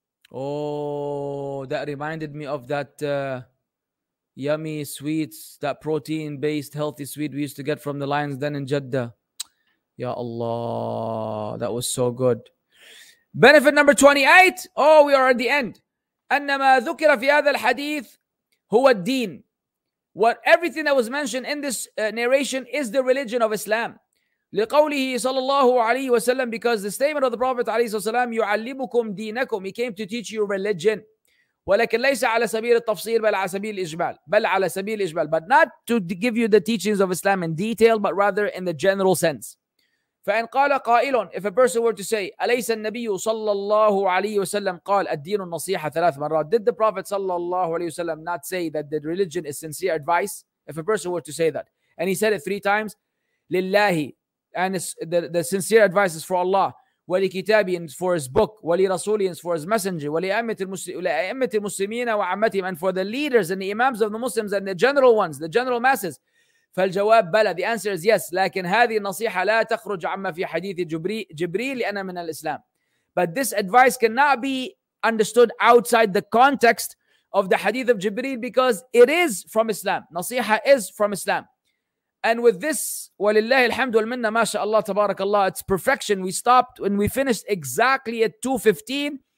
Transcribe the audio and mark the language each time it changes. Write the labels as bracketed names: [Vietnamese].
[English] Oh, that reminded me of that... yummy sweets, that protein-based healthy sweet we used to get from the lion's den in Jeddah. Ya Allah, that was so good. Benefit number 28. Oh, we are at the end. [Arabic] أنما ذكر في هذا الحديث هو الدين. [English] What everything that was mentioned in this narration is the religion of Islam. [Arabic] لقوله صلى الله عليه وسلم, [English] because the statement of the Prophet [Arabic] عليه الصلاة والسلام, يعلمكم دينكم, [English] he came to teach you religion. [Arabic] ولكن ليس على سبيل التفصيل بل على سبيل الإجمال [English] بل على سبيل الإجمال but not to give you the teachings of Islam in detail but rather in the general sense. [Arabic] فإن قال قائل, [English] if a person were to say, [Arabic] أليس النبي صلى الله عليه وسلم قال الدين النصيحة ثلاث مرات, [English] did the Prophet [Arabic] صلى الله عليه وسلم [English] not say that the religion is sincere advice? If a person were to say that and he said it three times, لله, and the sincere advice is for Allah, ولكتابي and for his book, ولرسولي and for his messenger, [Arabic] ولأئمة المسلمين وعمتهم, [English] and for the leaders and the imams of the Muslims and the general ones, the general masses. [Arabic] فالجواب بلى, [English] the answer is yes, [Arabic] لكن هذه النصيحة لا تخرج عما في حديث جبريل لأن من الإسلام. [English] But this advice cannot be understood outside the context of the hadith of Jibril because it is from Islam. نصيحة is from Islam. And with this, [Arabic] ولله الحمد والمنة ما شاء الله تبارك الله, [English] it's perfection. We stopped and we finished exactly at 2:15.